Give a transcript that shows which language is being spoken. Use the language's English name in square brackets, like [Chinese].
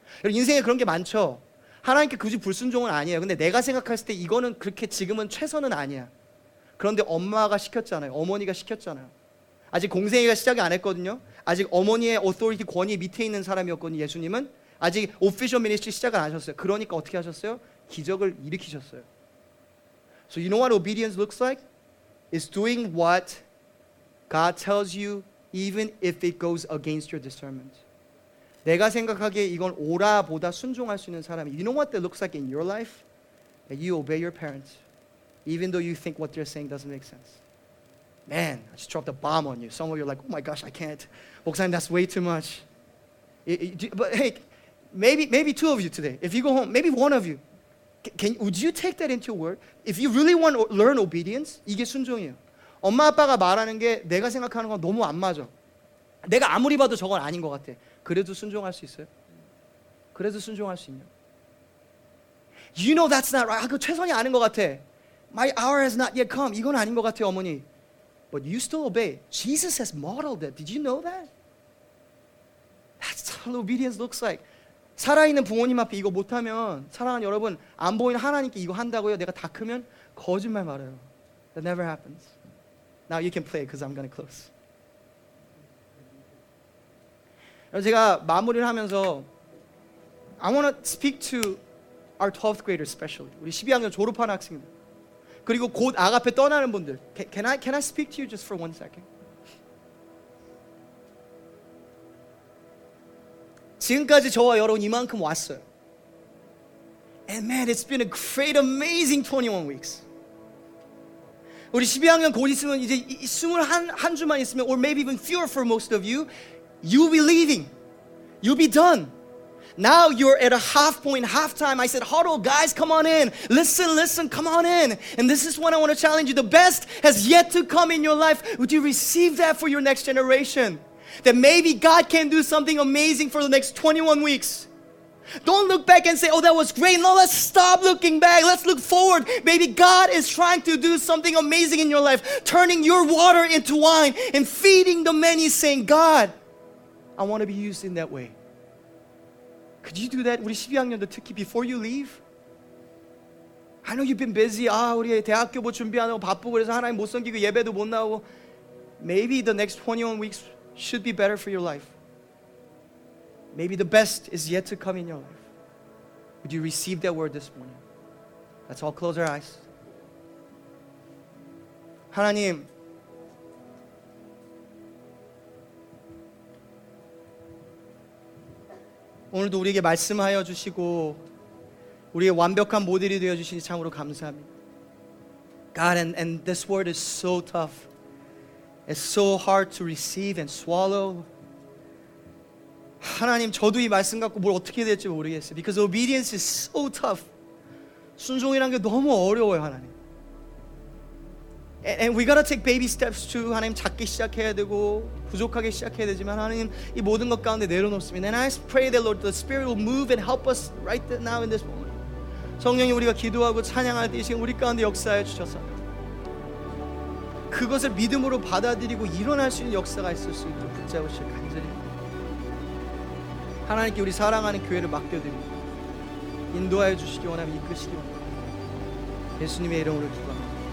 [Korean] 여러분, 인생에 그런 게 많죠. 하나님께 굳이 불순종은 아니에요. 근데 내가 생각했을 때 이거는 그렇게 지금은 최선은 아니야. 그런데 엄마가 시켰잖아요. 어머니가 시켰잖아요. 아직 공생애가 시작이 안 했거든요. 아직 어머니의 authority 권위 밑에 있는 사람이었거든요. 예수님은 아직 official ministry 시작을 안 하셨어요. 그러니까 어떻게 하셨어요? 기적을 일으키셨어요. [English] So you know what obedience looks like? It's doing what God tells you even if it goes against your discernment. [Korean] 내가 생각하기에 이건 오라보다 순종할 수 있는 사람이. [English] You know what that looks like in your life? That you obey your parents even though you think what they're saying doesn't make sense. Man, I just dropped a bomb on you. Some of you are like, oh my gosh, I can't. 목사님, that's way too much. But hey, maybe two of you today. If you go home, maybe one of you. Would you take that into your word? If you really want to learn obedience, [Korean] 이게 순종이에요. 엄마, 아빠가 말하는 게 내가 생각하는 건 너무 안 맞아. 내가 아무리 봐도 저건 아닌 것 같아. 그래도 순종할 수 있어요? 그래도 순종할 수 있냐? [English] You know that's not right. [Korean] 아, 그거 최선이 아닌 것 같아. [English] My hour has not yet come. [Korean] 이건 아닌 것 같아요, 어머니. [English] But you still obey. Jesus has modeled it. Did you know that? That's what obedience looks like. [Korean] 살아있는 부모님 앞에 이거 못하면 사랑하는 여러분, 안 보이는 하나님께 이거 한다고요? 내가 다 크면? 거짓말 말해요. [English] That never happens. Now you can play because I'm going to close. [Korean] 제가 마무리를 하면서 [English] I want to speak to our 12th graders especially. [Korean] 우리 12학년 졸업하는 학생들. 그리고 곧 아가페 떠나는 분들. [English] Can I speak to you just for one second? [Korean] 지금까지 저와 여러분 이만큼 왔어요. [English] And man, it's been a great, amazing 21 weeks. [Korean] 우리 12학년 곧 있으면 이제 21 주만 있으면 [English] or maybe even fewer for most of you, you'll be leaving. You'll be done. Now you're at a half point, half time. I said, huddle, guys, come on in. Listen, come on in. And this is what I want to challenge you. The best has yet to come in your life. Would you receive that for your next generation? That maybe God can do something amazing for the next 21 weeks. Don't look back and say, oh, that was great. No, let's stop looking back. Let's look forward. Maybe God is trying to do something amazing in your life, turning your water into wine and feeding the many, saying, God, I want to be used in that way. Could you do that? [Korean] 우리 12학년도 특히 [English] before you leave. I know you've been busy. [Korean] 아, 우리 대학교 뭐 준비하느라고 바쁘고 그래서 하나님 못 섬기고 예배도 못 나오고. [English] Maybe the next 21 weeks should be better for your life. Maybe the best is yet to come in your life. Would you receive that word this morning? Let's all close our eyes. [Korean] 하나님. 오늘도 우리에게 말씀하여 주시고 우리의 완벽한 모델이 되어 주시니 참으로 감사합니다. [English] God, and this word is so tough. It's so hard to receive and swallow. [Korean] 하나님, 저도 이 말씀 갖고 뭘 어떻게 해야 될지 모르겠어요. [English] Because obedience is so tough. [Korean] 순종이란 게 너무 어려워요, 하나님. [English] And we gotta take baby steps too. [Korean] 하나님 작게 시작해야 되고 부족하게 시작해야 되지만 하나님 이 모든 것 가운데 내려놓습니다. [English] And I pray that Lord the Spirit will move and help us right now in this moment. [Korean] 성령이 우리가 기도하고 찬양할 때 이 시간 우리 가운데 역사해 주셔서 그것을 믿음으로 받아들이고 일어날 수 있는 역사가 있을 수 있도록 붙잡으시길 간절히 하나님께 우리 사랑하는 교회를 맡겨드립니다. 인도하여 주시기 원하며 이끄시기 원합니다. 예수님의 이름으로 기도합니다.